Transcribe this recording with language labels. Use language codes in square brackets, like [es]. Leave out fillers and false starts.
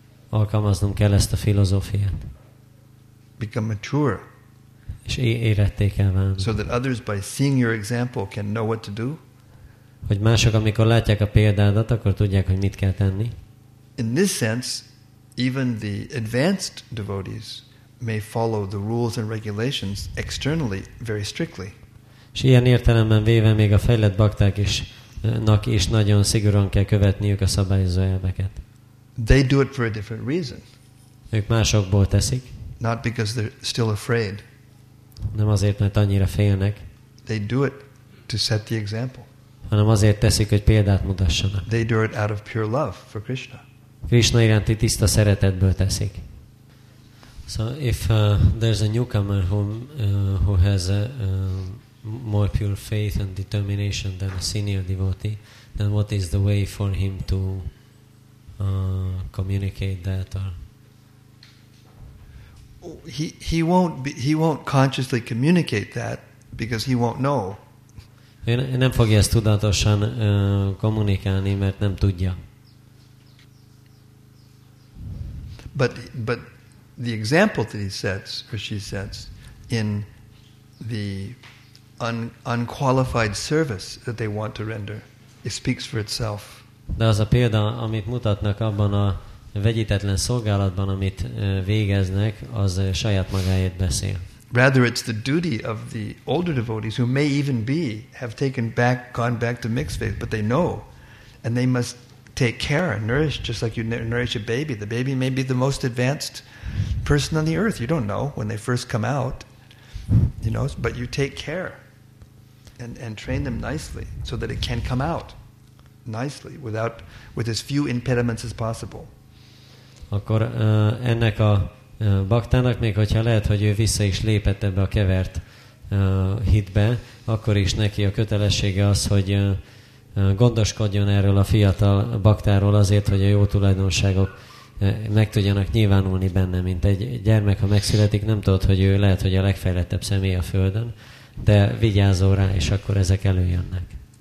[hu] Alkalmaznunk kell ezt a filozófiát. [en] Become mature. [hu] És éretté kell válni. [en] So that others by seeing your example can know what to do. [hu] hogy mások, amikor látják a példádat, akkor tudják, hogy mit kell tenni. [en] In this sense, even the advanced devotees may follow the rules and regulations externally very strictly. [hu] És ilyen értelemben véve még a fejlett bakták is nak is nagyon szigorúan kell követniük a szabályozó elveket. [en] They do it for a different reason. [hu] Ők másokból teszik. [en] Not because they're still afraid. [hu] Nem azért, mert annyira félnek. [en] They do it to set the example. [hu] Hanem azért teszik, hogy példát mutassanak. [en] They do it out of pure love for Krishna. [hu] Krishna iránti tiszta szeretetből teszik. [en] So if there's a newcomer who has more pure faith and determination than a senior devotee, then what is the way for him to communicate that? Or he won't consciously communicate that because he won't know. [hu] Nem fogja ezt tudatosan kommunikálni, mert nem tudja. [en] But the example that he sets or she sets in the unqualified service that they want to render, it speaks for itself. [hu] De az a példa, amit mutatnak abban a vegyítetlen szolgálatban, amit végeznek, az saját magáért beszél. [en] Rather, it's the duty of the older devotees who may even have gone back to mixed faith, but they know, and they must take care and nourish, just like you nourish a baby. The baby may be the most advanced person on the earth. You don't know when they first come out, you know, but you take care and train them nicely so that it can come out nicely with as few impediments as possible. [hu] Akkor ennek a baktának, még hogyha lehet, hogy ő vissza is lépett ebbe a kevert hitbe, akkor is neki a kötelessége az, hogy gondoskodjon erről a fiatal baktáról azért, hogy a jó tulajdonságok meg tudjanak nyilvánulni benne, mint egy gyermek, ha megszületik, nem tudod, hogy ő lehet, hogy a legfejlettebb személy a Földön, de vigyázol rá, és akkor ezek előjönnek.